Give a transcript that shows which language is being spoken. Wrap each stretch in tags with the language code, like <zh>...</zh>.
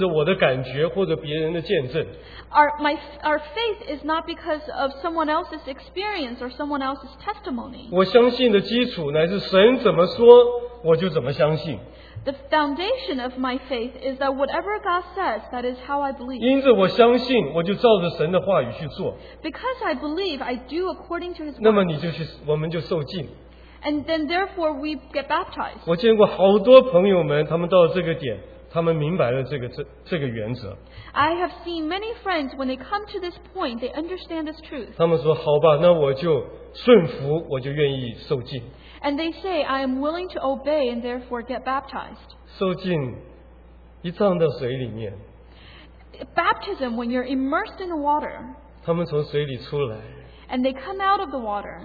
<zh>我们相信不是根据于我的经验,或者我的感觉,或者别人的见证。</zh> <en>Our faith is not because of someone else's experience or someone else's testimony.</en> <zh>我相信的基础乃是神怎么说,我就怎么相信。</zh> <en>The foundation of my faith is that whatever God says, that is how I believe.</en> <zh>因着我相信, 我就照着神的话语去做。</zh> <en>Because I believe, I do according to his word.</en> <zh>那么你就去, 我们就受浸。</zh> <en>And then therefore we get baptized.</en> <zh>我见过好多朋友们, 他们到了这个点, 他们明白了这个原则。</zh> <en>I have seen many friends, when they come to this point, they understand this truth.</en> <zh>他们说, 好吧, 那我就顺服, 我就愿意受浸。</zh> <en>And they say, I am willing to obey and therefore get baptized.</en> <zh>受浸一葬到水里面,</zh> <en>baptism, when you're immersed in the water,</en> <zh>他们从水里出来,</zh> <en>and they come out of the water,</en>